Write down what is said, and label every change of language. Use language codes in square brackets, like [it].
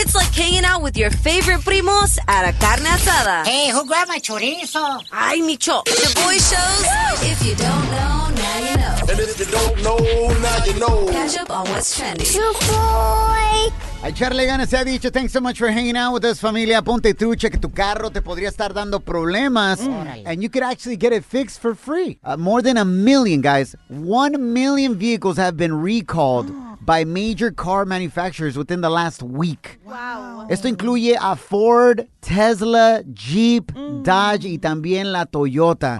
[en] It's like hanging out with your favorite primos at a carne asada. Hey, who grabbed my chorizo? Ay, Micho. The Boy Show. If you don't know, now you know. And if you don't know, now you know. Catch up on what's trending. The Boy. [es] Echarle ganas, se ha dicho. [en] Thanks so much for hanging out with us, familia. [es] Ponte trucha que tu carro te podría estar dando problemas. [en] And you could actually get it fixed for free. More than a million, guys. 1 million vehicles have been recalled by major car manufacturers within the last week. Wow. [es] Esto incluye a Ford, Tesla, Jeep, Dodge, y también la Toyota.